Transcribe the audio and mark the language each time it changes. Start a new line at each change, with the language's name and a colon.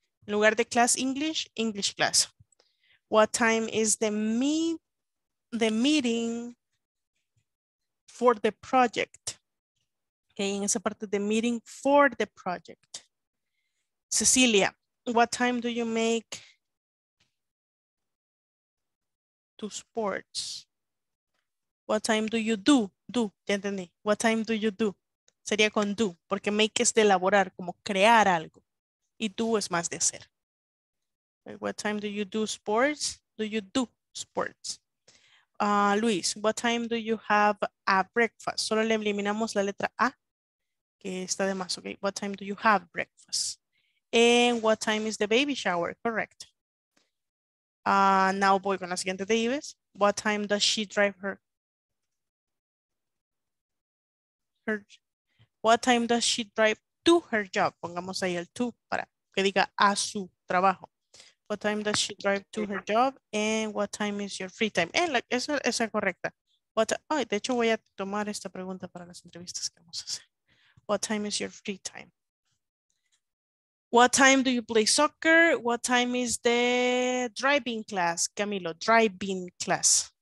Spanish: En lugar de
English: class English, English class. What time is the meeting for the project? Okay,
Spanish: en esa parte,
English: the meeting for the project. Cecilia, what time do you make to sports? What time do you do?
Spanish: ¿Ya entendí?
English: What time do you do?
Spanish: Sería con do, porque make es de elaborar, como crear algo. Y do es más de hacer.
English: What time do you do sports? Do you do sports? Luis, what time do you have a breakfast?
Spanish: Solo le eliminamos la letra A, que está de más, okay?
English: What time do you have breakfast? And what time is the baby shower? Correct. Now
Spanish: voy con la siguiente de
English: Ives. What time does she drive her? What time does she drive to her job?
Spanish: Pongamos ahí el to para que diga a su trabajo.
English: What time does she drive to her job? And what time is your free time?
Spanish: Esa correcta. De hecho voy a tomar esta pregunta para las entrevistas que vamos a hacer.
English: What time is your free time? What time do you play soccer? What time is the driving class? Camilo, driving class.